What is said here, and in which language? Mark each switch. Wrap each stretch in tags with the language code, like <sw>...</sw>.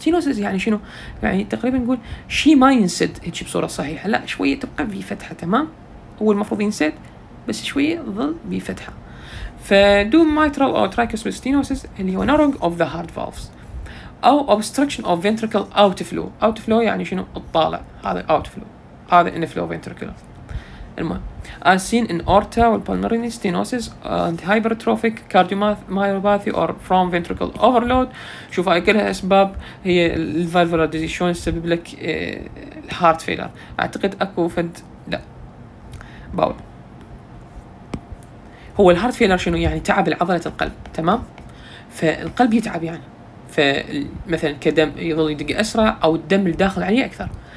<ar>stenosis يعني شنو؟ يعني تقريبا نقول شيء ما ينسد هيك بصورة صحيحة، لا شوية تبقى بفتحة، تمام هو المفروض ينسد بس شوية ظل بفتحة، فدوم ميترال أو تراكيوسبل ستينوسيس اللي هو نارنج</ar> <en>of the heart valves</en> <ar>أو</ar> <en>obstruction of ventricle outflow.</en> <ar>outflow يعني شنو؟ الطالع.</ar> <en>هذا outflow, هذا inflow ventricular.</en> <ar>المهم</ar> <en>as seen in aorta or pulmonary stenosis and hypertrophic cardiomyopathy or from ventricle overload.</en> <ar>شوف هاي كلها أسباب هي الفالفولار ديزيز شلون تسبب لك الهارت فيلر. أعتقد أكو فد لا باول هو الهارت فيلر شنو يعني؟ تعب العضلة القلب, تمام؟ فالقلب يتعب يعني, فمثلا كدم يظل يدق أسرع أو الدم الداخل عليه أكثر.</ar>